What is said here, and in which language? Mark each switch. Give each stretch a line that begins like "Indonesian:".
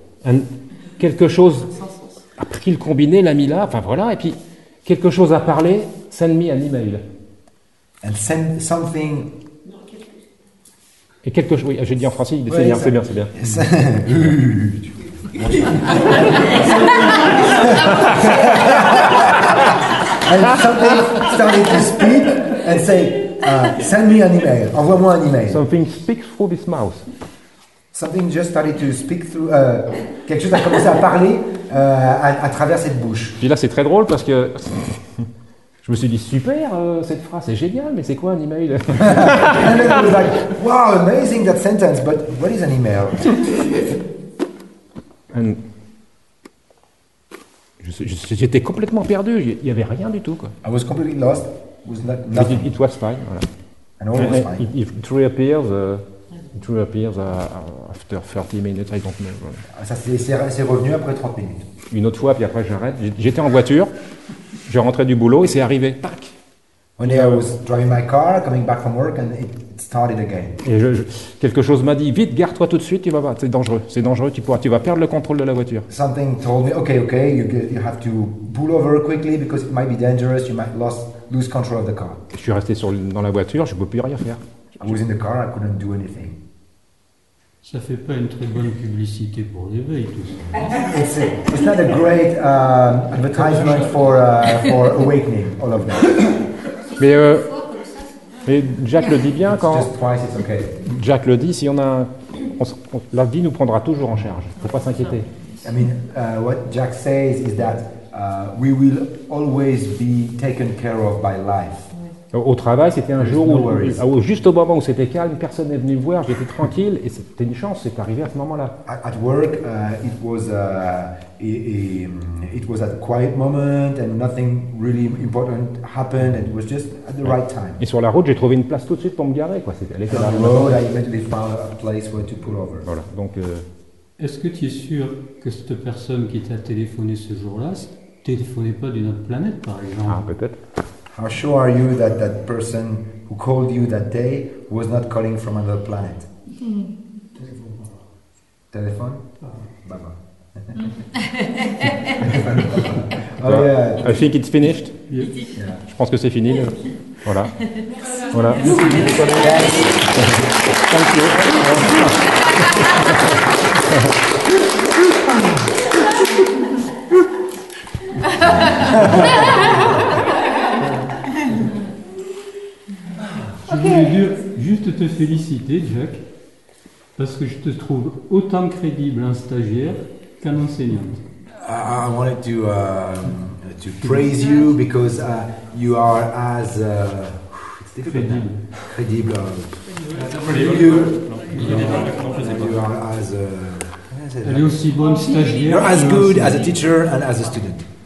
French: And quelque chose... a pris le combiné, l'a mis là, enfin voilà, et puis quelque chose a parlé,
English: send me an email. And send something.
French: Et quelque chose, oui, j'ai dit en français, ouais, c'est bien.
English: And something started to speak and say, send me an email,
French: envoie-moi un email.
English: Something speaks through this mouth. Something just started to speak through.
French: Quelque chose a commencé à parler à travers cette bouche. Puis là, c'est très drôle parce que je me suis dit super, cette phrase est géniale, mais c'est quoi un email?
English: And then I was like, wow, amazing that sentence, but what is an email?
French: And j'étais complètement perdu. Il y avait rien du tout, quoi.
English: I was completely lost. was not nothing. It was fine.
French: Voilà.
English: And all was fine. It reappears. It reappears after 30 minutes. I don't know.
French: Ça c'est revenu après 30 minutes. Une autre fois, puis après j'arrête. J'étais en voiture. Je rentrais du boulot et c'est arrivé. Tac.
English: When I was driving my car, coming back from work, and it started again.
French: Et quelque chose m'a dit, vite, gare-toi tout de suite, tu vas voir, c'est dangereux, tu vas perdre le contrôle de la voiture.
English: Something told me, okay, you have to pull over quickly because it might be dangerous, you might lose control of the car.
French: Et je suis resté dans la voiture, je ne peux plus rien faire.
English: I was in the car, I couldn't do anything.
French: Ça ne fait pas une très bonne publicité pour l'éveil, tout ça.
English: It's not a great advertisement for awakening, all of that.
French: Mais Jack le dit bien quand.
English: Twice, okay.
French: Jack le dit, si on a. La vie nous prendra toujours en charge. Il ne faut pas s'inquiéter.
English: I mean, what Jack says is that we will always be taken care of by life.
French: Au travail, c'était un jour où, juste au moment où c'était calme, personne n'est venu me voir, j'étais tranquille, et c'était une chance, c'est arrivé à ce moment-là.
English: At work, it was at a quiet moment, and nothing really important happened, and it was just at the right time.
French: Et sur la route, j'ai trouvé une place tout de suite pour me garer, quoi. C'était, elle était là.
English: On the road, I eventually found a place where to pull over.
French: Voilà, donc... Est-ce que tu es sûr que cette personne qui t'a téléphoné ce jour-là, ne téléphonait pas d'une autre planète, par exemple? Ah, peut-être.
English: How sure are you that that person who called you that day was not calling from another planet? Telephone. Telephone? Baba. Oh yeah. I think it's finished. Yeah.
French: Je pense que c'est fini. Voilà. Voilà.
English: Thank you.
French: Je voulais dire, juste te féliciter, Jack, parce que je te trouve autant crédible un stagiaire qu'un enseignant.
English: I wanted to praise you because you are as
French: crédible.
English: You are as
French: Elle est aussi bonne stagiaire.
English: You're as good as a teacher and as a student.